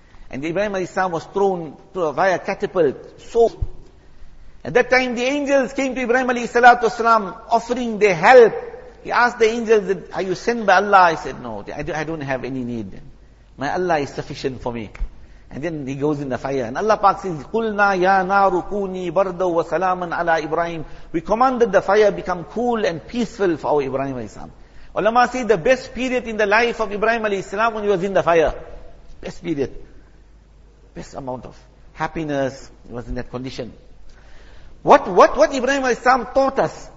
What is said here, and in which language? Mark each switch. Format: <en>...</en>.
<en>And Ibrahim alayhi salam was thrown to a via catapult. So, at that time the angels came to Ibrahim alayhi salatu wasalam offering their help. He asked the angels, are you sent by Allah? He said, no, I don't have any need. My Allah is sufficient for me. And then he goes in the fire. And Allah Pak says,</en> <ar>قُلْنَا يَا نَارُ كُونِي بَرْدًا وَسَلَامًا عَلَىٰ إِبْرَاهِيمُ.</ar> <en>We commanded the fire become cool and peaceful for our Ibrahim alayhi salam. Ulama say the best period in the life of Ibrahim alayhi salam when he was in the fire. Best period. Best amount of happiness. He was in that condition. What Ibrahim alayhi salam taught us?</en>